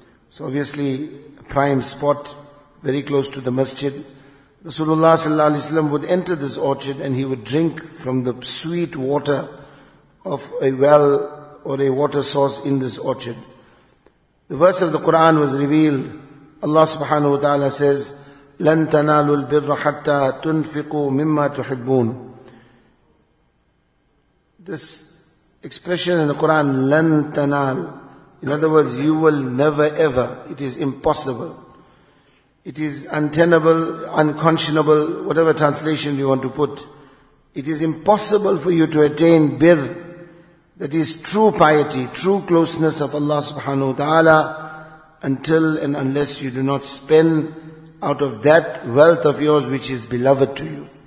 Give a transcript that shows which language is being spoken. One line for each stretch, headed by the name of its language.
English: So obviously, a prime spot, very close to the masjid. Rasulullah sallallahu alayhi wa sallam would enter this orchard and he would drink from the sweet water of a well or a water source in this orchard. The verse of the Quran was revealed. Allah subhanahu wa ta'ala says,
Arabic: لَن تَنَالُوا الْبِرَّ حَتَّى تُنْفِقُوا مِمَّا تُحِبُّونَ.
English: This expression in the Quran, لَن تَنَال, in other words, you will never ever, it is impossible, it is untenable, unconscionable, whatever translation you want to put, it is impossible for you to attain birr, that is true piety, true closeness of Allah subhanahu wa ta'ala, until and unless you do not spend out of that wealth of yours which is beloved to you.